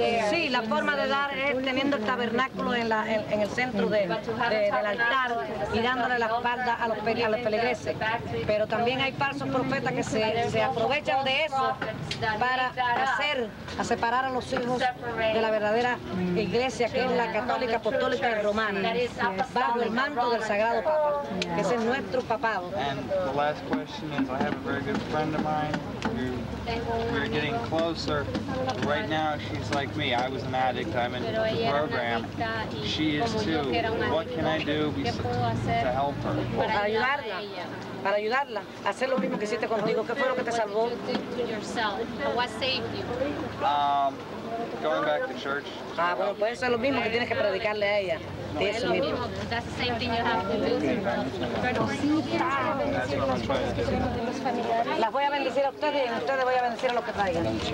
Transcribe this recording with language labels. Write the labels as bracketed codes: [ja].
[es] Sí, la forma de dar es teniendo el tabernáculo en la, en el centro del altar y dándole la espalda a los feligreses. Pero también hay falsos profetas que se aprovechan de eso para hacer a separar a los hijos de la verdadera iglesia que es la católica apostólica y romana. Bajo el manto del sagrado papa, que es nuestro papado. [en] And the last question is, I have a very good friend of mine who we're getting closer. Right now she's like me. I was an addict. I'm in the program. She is too. What can I do to help her? [es] Para ayudarla. Para ayudarla. Hacer lo mismo que hiciste contigo. ¿Qué fue lo que te salvó? [en] What saved you? Going back to church. [es] Ah, bueno, pues eso es lo mismo que tienes que predicarle a ella. Es lo mismo. [en] That's the same thing you have to do. [es] Las voy a bendecir a ustedes y a ustedes voy a bendecir a los que traigan.